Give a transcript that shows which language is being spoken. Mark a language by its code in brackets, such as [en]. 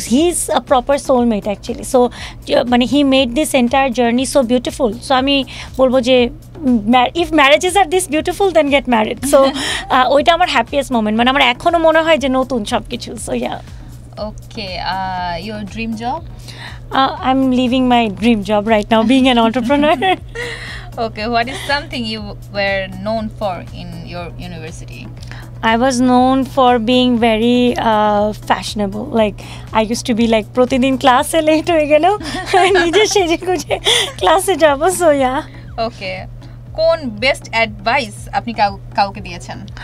[en] is a proper soulmate actually, so মানে he made this entire journey so beautiful, so [bn] আমি বলবো যে [en] if marriages are this beautiful then get married, so [bn] ওইটা আমার [en] happiest moment, [bn] মানে আমার এখনও মনে হয় যে নতুন সব কিছু, [en] So yeah. Okay, your dream job? I'm leaving my dream job right now, being an entrepreneur. Okay, what is something you were known for in your university? I was known for being very fashionable. Like, I used to be like, [bn] প্রতিদিন ক্লাসে late হয়ে গেল, নিজে সেজে গুজে ক্লাসে যাব, so yeah. Okay, কোন বেস্ট অ্যাডভাইস আপনি কাউকে দিয়েছেন?